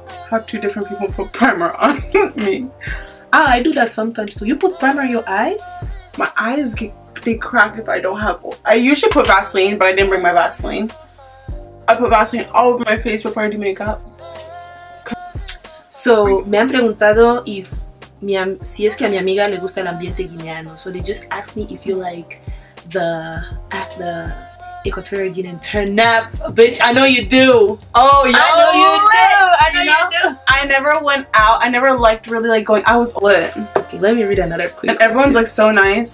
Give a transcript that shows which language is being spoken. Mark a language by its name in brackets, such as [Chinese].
[English] had two different people put primer on me. Ah, I do that sometimes too. You put primer on your eyes? My eyes they crack if I don't have oil. I usually put Vaseline, but I didn't bring my Vaseline. I put Vaseline all over my face before I do makeup. [Spanish] So, me han preguntado if si es que a mi amiga le gusta el ambiente guineano. [English] So they just asked me if you like the Equatorial Guinean turn up. Bitch, I know you do. Oh, yo, I know you do. I never went out. I never liked really like going. I was lit. Okay, let me read another quick question. Everyone's like so nice.